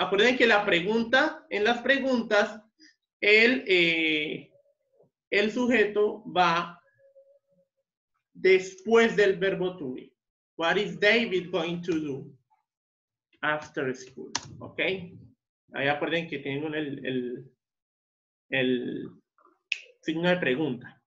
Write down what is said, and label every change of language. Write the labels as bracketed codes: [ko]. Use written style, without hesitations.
[es] Acuérdense que la pregunta, en las preguntas, el sujeto va después del verbo to be. [en] What is David going to do after school? ¿Ok? [es] Ahí acuerden que tengo el signo de pregunta.